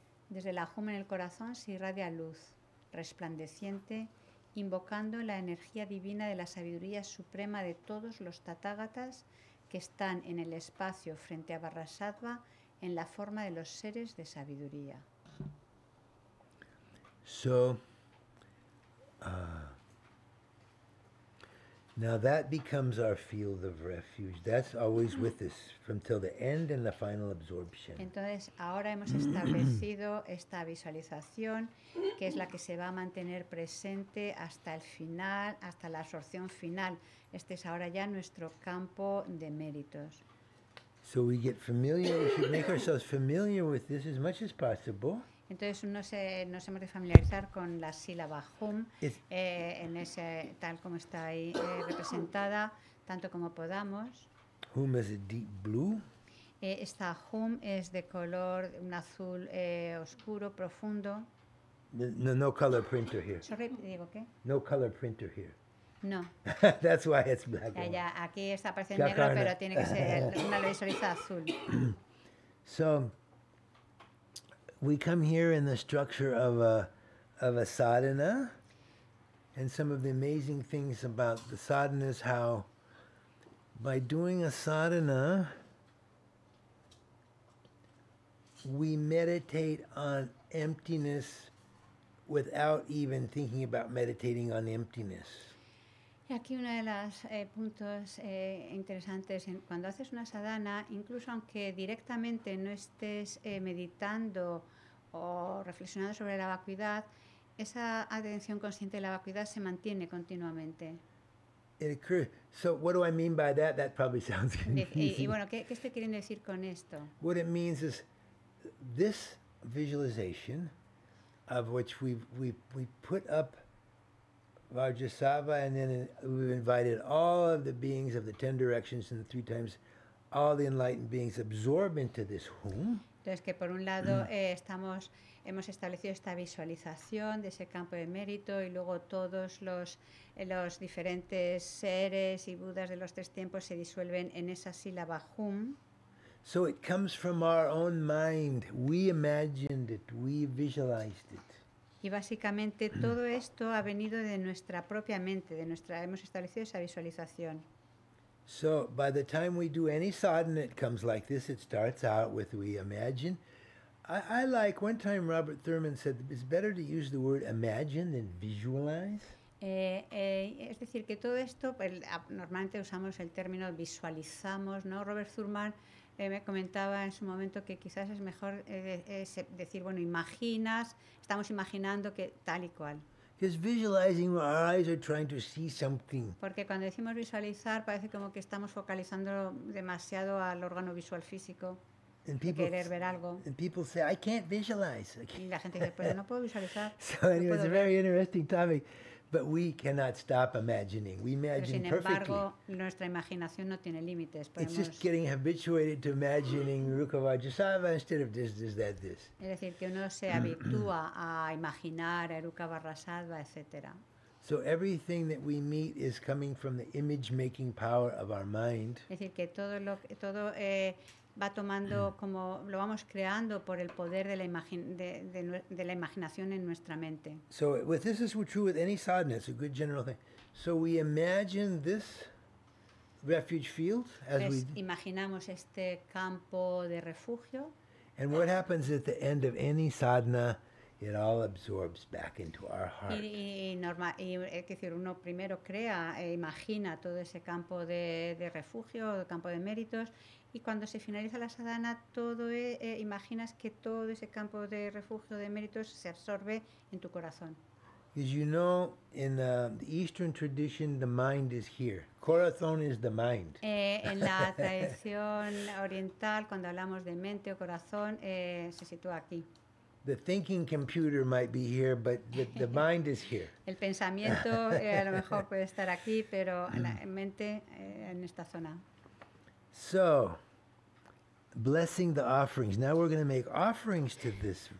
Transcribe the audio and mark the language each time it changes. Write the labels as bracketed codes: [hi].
[es] Desde la HUM en el corazón se irradia luz, resplandeciente, invocando la energía divina de la sabiduría suprema de todos los Tathagatas que están en el espacio frente a Vajrasattva en la forma de los seres de sabiduría. [en] So, now that becomes our field of refuge. That's always with us from till the end and the final absorption. [es] Entonces, ahora hemos establecido esta visualización, que es la que se va a mantener presente hasta el final, hasta la absorción final. Este es ahora ya nuestro campo de méritos. [en] So we get familiar. We should make ourselves familiar with this as much as possible. [es] Entonces nos hemos de familiarizar con la sílaba HUM en ese tal como está ahí representada tanto como podamos. [en] HUM is a deep blue. [es] Esta HUM es de color un azul oscuro profundo. [en] No color printer here. Sorry, [es] digo qué. [en] No color printer here. No. That's why it's black. [es] Ya aquí está apareciendo negro, Karna. Pero tiene que ser una visualiza azul. [en] So. We come here in the structure of a sadhana, and some of the amazing things about the sadhana is how, by doing a sadhana, we meditate on emptiness without even thinking about meditating on emptiness. [es] Aquí uno de los puntos interesantes, cuando haces una sadhana, incluso aunque directamente no estés meditando o reflexionando sobre la vacuidad, esa atención consciente de la vacuidad se mantiene continuamente. [en] So what do I mean by that? That probably sounds confusing. [es] Y bueno, ¿qué estoy queriendo decir con esto? [en] What it means is this visualization, of which we put up Vajrasattva, and then we've invited all of the beings of the 10 directions and the 3 times, all the enlightened beings absorb into this whom. [es] Entonces que por un lado hemos establecido esta visualización de ese campo de mérito y luego todos los diferentes seres y budas de los tres tiempos se disuelven en esa sílaba hum. [en] So it comes from our own mind. We imagined it. We visualized it. [es] Y básicamente todo esto ha venido de nuestra propia mente, de nuestra hemos establecido esa visualización. [en] So by the time we do any sadhana, it comes like this. It starts out with we imagine. I like one time Robert Thurman said it's better to use the word imagine than visualize. [es] Es decir que todo esto, normalmente usamos el término visualizamos, ¿no? Robert Thurman me comentaba en su momento que quizás es mejor decir, bueno, imaginas, estamos imaginando que tal y cual. [en] Because visualizing, our eyes are trying to see something. [es] Porque cuando decimos visualizar, parece como que estamos focalizando demasiado al órgano visual físico. [en] And people, [es] querer ver algo. [en] And people say, I can't visualize. [es] Y la gente dice, pues no puedo visualizar. [en] So anyway, it's a very interesting topic. But we cannot stop imagining. We imagine [es] Pero sin embargo, [en] perfectly. [es] Nuestra imaginación no tiene límites. Podemos [en] it's just getting habituated to imagining Rukha Vajrasattva instead of this, that, this. [es] Es decir, que uno se habitúa a imaginar a Rukha Vajrasattva, etc. [en] So everything that we meet is coming from the image-making power of our mind. [es] Es decir, que todo va tomando como lo vamos creando por el poder de la imaginación en nuestra mente. [en] So with this is true with any sadhana, it's a good general thing. So we imagine this refuge field as [es] pues [en] we [es] imaginamos este campo de refugio. [en] And what happens at the end of any sadhana? It all absorbs back into our heart. [es] Y es decir, uno primero crea e imagina todo ese campo de refugio, el campo de méritos. Y cuando se finaliza la sadhana, imaginas que todo ese campo de refugio de méritos se absorbe en tu corazón. [en] As you know, in the Eastern tradition, the mind is here. Corazón is the mind. [es] En la tradición oriental, cuando hablamos de mente o corazón, se sitúa aquí. [en] The thinking computer might be here, but the mind is here. [es] El pensamiento a lo mejor puede estar aquí, pero la mente en esta zona. [en] So, blessing the offerings. Now we're going to make offerings to this.